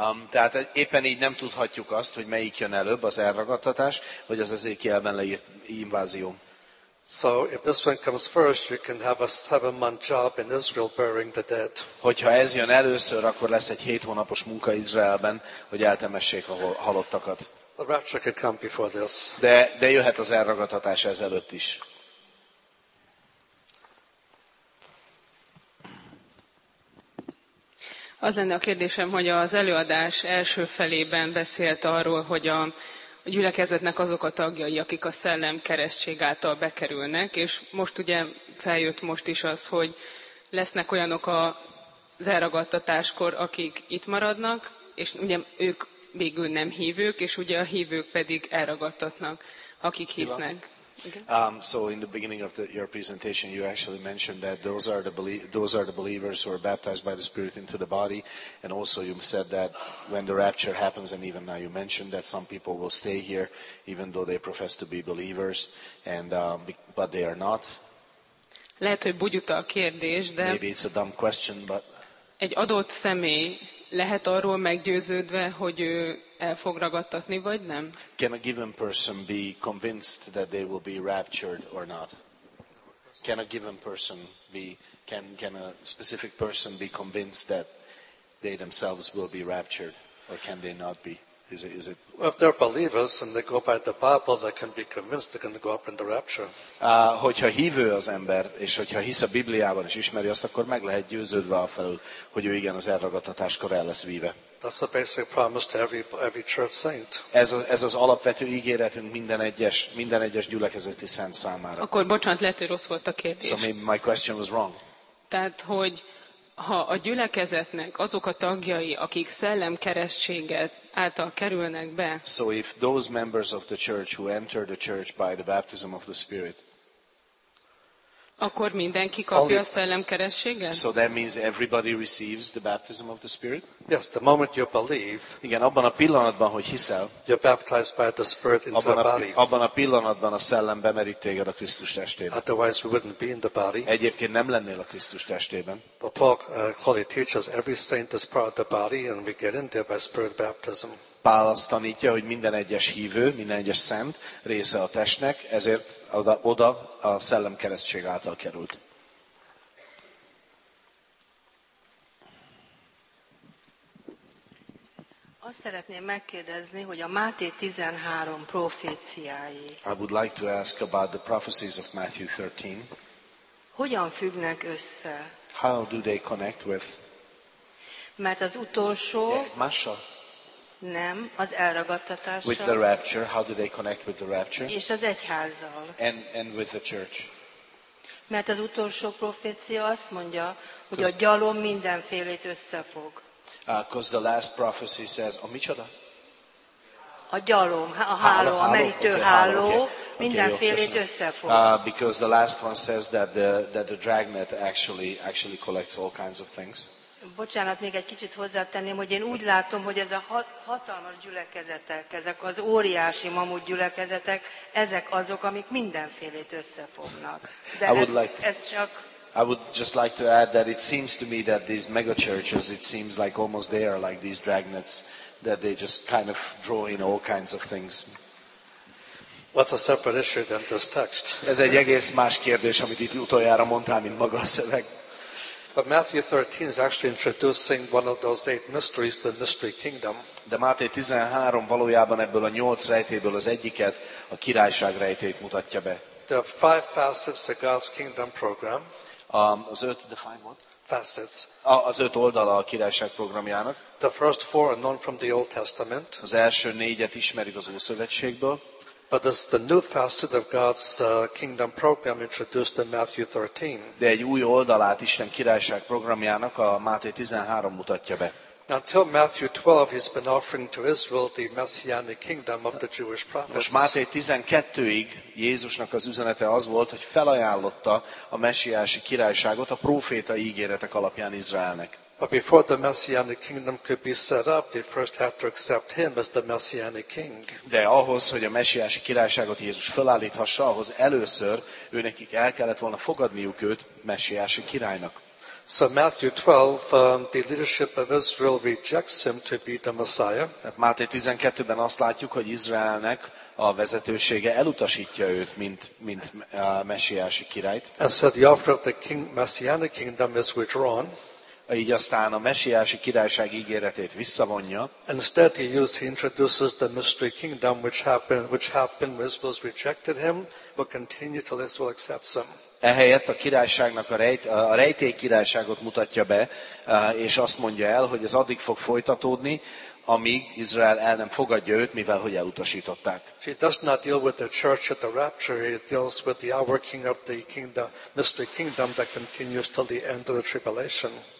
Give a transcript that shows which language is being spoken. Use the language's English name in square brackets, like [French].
[Hungarian] Tehát éppen így nem tudhatjuk azt, hogy melyik jön előbb, az elragadtatás, vagy az Ezekielben leírt invázió. [English] So if this one comes first, you can have a 7-month job in Israel burying the dead. [Hungarian] Hogyha ez jön először, akkor lesz egy 7 hónapos munka Izraelben, hogy eltemessék a halottakat. [English] The rapture could come before this. [Hungarian] De jöhet az elragadtatás ezelőtt is. Az lenne a kérdésem, hogy az előadás első felében beszélt arról, hogy a gyülekezetnek azok a tagjai, akik a szellem keresztség által bekerülnek, és most ugye feljött most is az, hogy lesznek olyanok az elragadtatáskor, akik itt maradnak, és ugye ők végül nem hívők, és ugye a hívők pedig elragadtatnak, akik hisznek. [English] So in the beginning of your presentation, you actually mentioned that those are the believers who are baptized by the Spirit into the body, and also you said that when the rapture happens, and even now you mentioned that some people will stay here, even though they profess to be believers, and but they are not. [Hungarian] Lehet, hogy bugyuta a kérdés, de [English] maybe it's a dumb question, but [Hungarian] egy adott személy lehet arról meggyőződve, hogy ő el fog ragadtatni, vagy nem? [English] Can a given person be convinced that they will be raptured or not? Can a given person be, can a specific person be convinced that they themselves will be raptured, or can they not be? Is it? Well, if they're believers and they go by the Bible, they can be convinced they're going to go up in the rapture. [Hungarian] Hogyha hívő az ember, és hogyha hisz a Bibliában, és ismeri azt, akkor meg lehet győződve afelől, hogy ő igen, az elragadtatáskor el lesz víve. [English] That's the basic promise to every church saint. [Hungarian] Ez az alapvető ígéretünk minden egyes gyülekezeti szent számára. Akkor bocsánat, lehet, hogy rossz volt a kérdés. [English] So maybe my question was wrong. [Hungarian] Tehát, hogy ha a gyülekezetnek azok a tagjai, akik szellemkerességet által kerülnek be. [English] So if those members of the church who enter the church by the baptism of the Spirit. [Hungarian] Akkor mindenki kapja a szellemkerességet? [English] So that means everybody receives the baptism of the Spirit? Yes, the moment you believe. [Hungarian] Igen, abban a pillanatban, hogy hiszel. [English] You're baptized by the Spirit into the body. [Hungarian] Abban a pillanatban a szellem bemerít téged a Krisztus testébe. [English] Otherwise we wouldn't be in the body. [Hungarian] Egyébként nem lennél a Krisztus testében. [English] But Paul clearly teaches every saint is part of the body and we get in there by Spirit baptism. [Hungarian] Pál azt tanítja, hogy minden egyes hívő, minden egyes szent része a testnek, ezért oda a szellemkeresztség által került. Azt szeretném megkérdezni, hogy a Máté 13 proféciái. [English] I would like to ask about the prophecies of Matthew 13. [Hungarian] Hogyan függnek össze? [English] How do they connect with? [Hungarian] Mert az utolsó. Mása. Nem, az elragadtatással. [English] With the rapture, how do they connect with the rapture? [Hungarian] És az egyházzal. [English] And with the church. [Hungarian] Mert az utolsó profécia azt mondja, hogy a gyalom mindenfélét összefog. [English] Because the last prophecy says, [Hungarian] a micsoda? A gyalom, a háló, a merítő háló, mindenfélét összefog. [English] Because the last one says that the dragnet actually collects all kinds of things. [Hungarian] Bocsánat, még egy kicsit hozzátenném, hogy én úgy látom, hogy ez a hatalmas gyülekezetek, ezek az óriási mamut gyülekezetek, ezek azok, amik mindenfélét összefognak. De ez csak... [English] I would just like to add that it seems to me that these mega churches, it seems like almost they are like these dragnets, that they just kind of draw in all kinds of things. What's a separate issue than this text? [Hungarian] Ez egy egész más kérdés, amit itt utoljára mondtál, mint maga a szöveg. [English] But Matthew 13 is actually introducing one of those eight mysteries, the mystery kingdom. [Hungarian] De Máté 13 valójában ebből a nyolc rejtéből az egyiket, a királyság rejtét mutatja be. [English] The five facets to God's kingdom program. [Hungarian] Az öt, [English] the five what? Facets. [Hungarian] Az öt oldala a királyság programjának. [English] The first four are known from the Old Testament. [Hungarian] Az első négyet ismerik az Ószövetségből. [English] But it's the new facet of God's kingdom program introduced in Matthew 13. [Hungarian] De egy új oldalát Isten királyság programjának a Máté 13 mutatja be. [English] Until Matthew 12, he's been offering to Israel the messianic kingdom of the Jewish prophets. [Hungarian] Most Máté 12-ig Jézusnak az üzenete az volt, hogy felajánlotta a messiási királyságot a proféta ígéretek alapján Izraelnek. [English] But before the messianic kingdom could be set up, they first had to accept him as the messianic king. [Hungarian] De ahhoz, hogy a messiási királyságot Jézus felállíthassa, ahhoz először őnekik el kellett volna fogadniuk őt messiási királynak. [English] So Matthew 12, the leadership of Israel rejects him to be the Messiah. [Hungarian] Máté 12-ben azt látjuk, hogy Izraelnek a vezetősége elutasítja őt, mint a messiási királyt. [English] And so the offer of the messianic kingdom is withdrawn. [Hungarian] Így aztán a messiási királyság ígéretét visszavonja. [English] Instead he introduces the mystery kingdom, which happened when Israel rejected him, but continued till Israel accepts him. [Hungarian] Ehelyett a királyságnak a rejtély királyságot mutatja be, és azt mondja el, hogy ez addig fog folytatódni, amíg Izrael el nem fogadja őt, mivel hogy elutasították. [English] He does not deal with the church at the rapture, he deals with the outworking of the kingdom, mystery kingdom that continues till the end of the tribulation.